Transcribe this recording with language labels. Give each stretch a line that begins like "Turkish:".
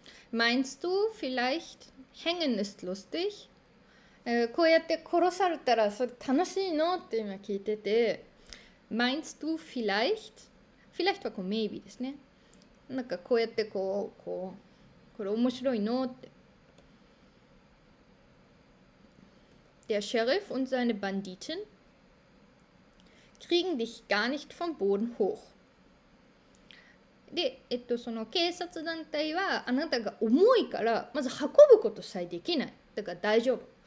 German: Meinst du vielleicht hängen ist lustig?
Japanese: こうやって殺されたらそれ楽しいのって今聞いてて。
German: Meinst du vielleicht?
Japanese: Vielleicht はこう maybe ですね。なんかこうやってこうこれ面白いのって。
German: Der Sheriff und seine Banditen kriegen dich gar nicht vom Boden hoch。
Japanese: で、その警察団体はあなたが重いからまず運ぶことさえできない。だから大丈夫。